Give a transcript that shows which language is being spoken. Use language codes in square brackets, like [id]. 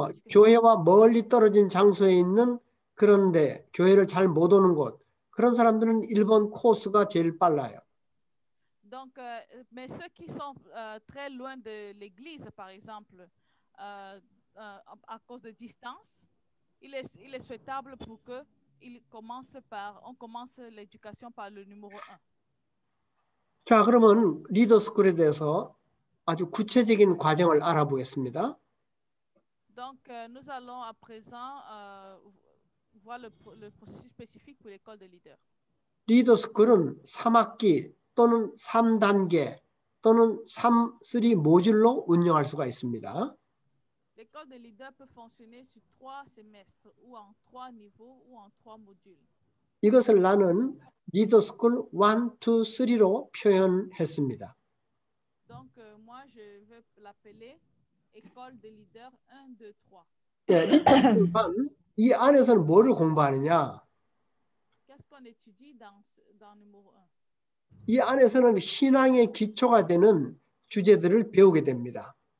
[ko] 교회와 멀리 떨어진 장소에 있는 그런데 교회를 잘 못 오는 곳 그런 사람들은 일본 코스가 제일 빨라요. [fr] Donc mais ceux qui sont très loin de l'église par exemple à cause de distance il est souhaitable pour que il commence par on commence l'éducation par le numéro 1. [ko] 자, 그러면 리더 스쿨에 대해서 아주 구체적인 과정을 알아보겠습니다. [fr] Donc nous allons à présent voir le processus spécifique pour l'école de leader. [ko] 리더 스쿨은 3학기 또는 3단계 또는 3 모듈로 운영할 수가 있습니다. [fr] L'école de leader peut fonctionner sur 3 semestres ou en 3 niveaux ou en 3 modules. [ko] 이것을 나는 리더 스쿨 1 2 3로 표현했습니다. [fr] Donc moi je vais l'appeler école de leader 1 2 3. [ko] 예, 이 안에서는 뭐를 공부하느냐? [fr] Qu'est-ce qu'on étudie dans numéro 1? [ko] 이 안에서는 신앙의 기초가 되는 주제들을 배우게 됩니다.